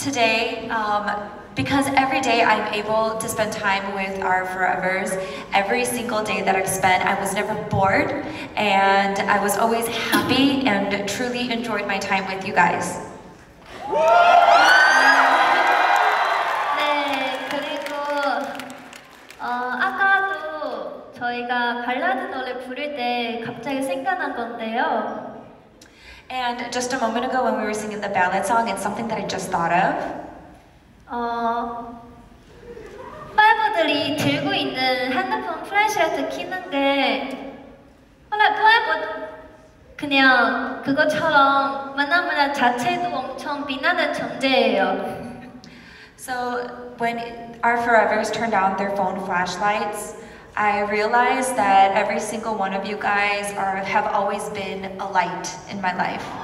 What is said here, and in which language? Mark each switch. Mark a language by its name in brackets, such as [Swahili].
[English] I'm able to spend time with our Forevers. Every single day that I've spent, I was never bored, and I was always happy and truly enjoyed my time with you guys. [Korean] 네, 그리고 아까도 저희가 발라드 노래 부를 때 갑자기 생각난 건데요. [English] And just a moment ago when we were singing the ballad song, it's something that I just thought of. [Korean] 포에버들이 들고 있는 핸드폰 플래시라이트 켰는데 원래 포에버 그냥 그것처럼 만나면 자체도 엄청 빛나는 존재예요. [English] So when our forevers turned on their phone flashlights, I realized that every single one of you guys have always been a light in my life.